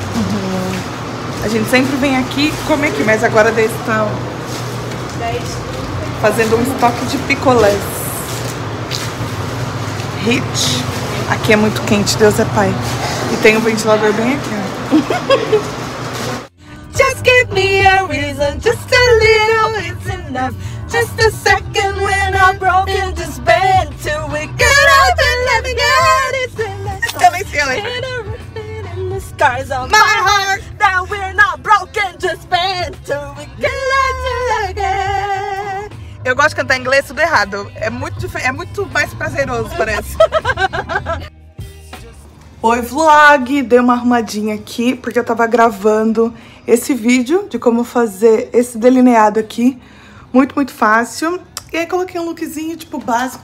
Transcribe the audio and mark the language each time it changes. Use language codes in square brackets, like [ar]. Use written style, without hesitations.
[pt] Uhum. A gente sempre vem aqui comer aqui, mas agora eles estão fazendo um estoque de picolés. Hit. Aqui é muito quente, Deus é pai. E tem um ventilador bem aqui, ó. [en] Just give me a reason, just a little, it's enough. Just a second when I'm broken, just bend till we get up and let me get it. [pt] Também sei, olha. [en] My heart, that we're not broken, just bent till we get again. [pt] Eu gosto de cantar inglês tudo errado. É muito mais prazeroso, parece. Oi, vlog! Dei uma arrumadinha aqui, porque eu tava gravando esse vídeo de como fazer esse delineado aqui. Muito, muito fácil. E aí coloquei um lookzinho, tipo, básico.